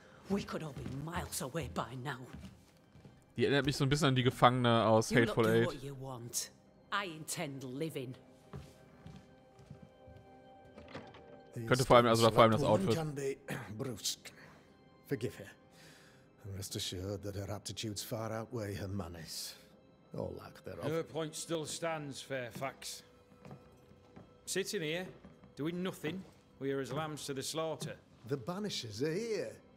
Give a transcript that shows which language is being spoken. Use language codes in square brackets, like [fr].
[en] We could all be miles away by now. [de] Die erinnert mich so ein bisschen an die Gefangene aus Hateful Eight. [en] You look to what you want. I intend living. [de] Könnte vor allem, also vor allem das Outfit. [en] Can be brusque. Forgive her. Rest assured that her aptitudes far outweigh her manners. Or lack thereof. Your point still stands, Fairfax. Sitting here, doing nothing, we are as lambs to the slaughter. The banishers are here.